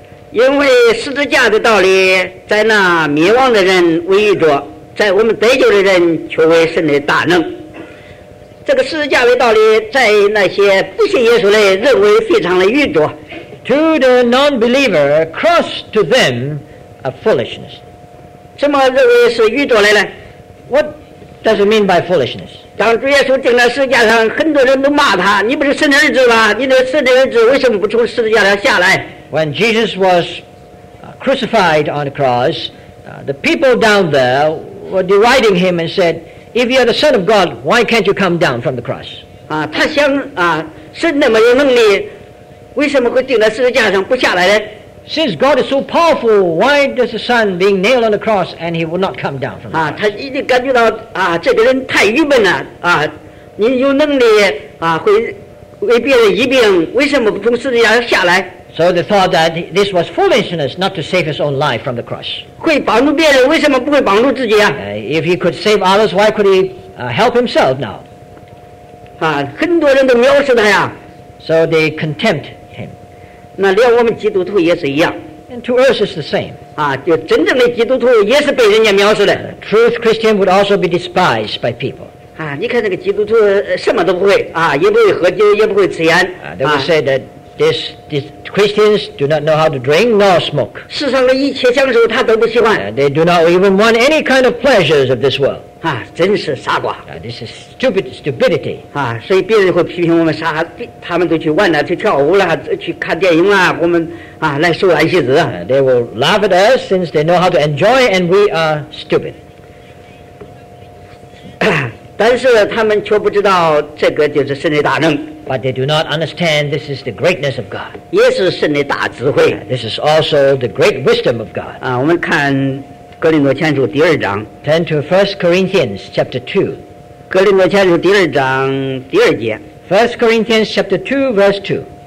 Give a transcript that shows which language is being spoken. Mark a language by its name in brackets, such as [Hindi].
[Chinese] 因为十字架的道理在那迷惘的人为依着，在我们得救的人却为神的大能。这个十字架为道理，在那些不信耶稣的认为非常的愚拙。 [English] To the non-believer, cross to them a foolishness. [Chinese] 什么认为是愚拙的呢？ [English] What does it mean by foolishness? [Chinese] 当主耶稣钉在十字架上，很多人都骂他：“你不是神的儿子吗？你的神的儿子为什么不从十字架上下来？” [English] When Jesus was crucified on the cross, the people down there were deriding him and said, "If you are the Son of God, why can't you come down from the cross?" [Chinese] 他想神那么有能力，为什么会钉在十字架上不下来呢？ [English] Since God is so powerful, why does the Son being nailed on the cross and he would not come down from the cross? [Chinese] 他一定感觉到这个人太愚笨了你有能力会为别人医病，为什么不从十字架上下来？ [English] So they thought that this was foolishness not to save his own life from the cross. [Chinese] 会帮助别人，为什么不会帮助自己啊？ [English] If he could save others, why could he help himself now? [Chinese] 很多人都藐视他呀。 [English] So they contempt him. [Chinese] 那连我们基督徒也是一样。 [English] And to us it's the same. [Chinese] 就真正的基督徒也是被人家藐视的。 [English] Truth Christian would also be despised by people. [Chinese] 你看那个基督徒什么都不会也不会喝酒，也不会吃烟。 [English] They would say that this Christians do not know how to drink nor smoke. [Chinese] 世上的一切享受他都不喜欢。 [English] They do not even want any kind of pleasures of this world. [Chinese] 真是傻瓜。 [English] This is stupidity. [Chinese] 所以别人会批评我们傻，他们都去玩了，去跳舞了，去看电影了，我们来受安息日。 [English] They will laugh at us since they know how to enjoy and we are stupid. [Chinese] 但是他们却不知道这个就是神的大能。 [English] But they do not understand this is the greatness of God. [Chinese] 也是神的大智慧。 [English] This is also the great wisdom of God. [Chinese] 我们看哥林多前书第二章。 [English] Turn to 1 Corinthians chapter 2. [Chinese] 哥林多前书第二章第二节。 [English] 1 Corinthians chapter 2 verse 2.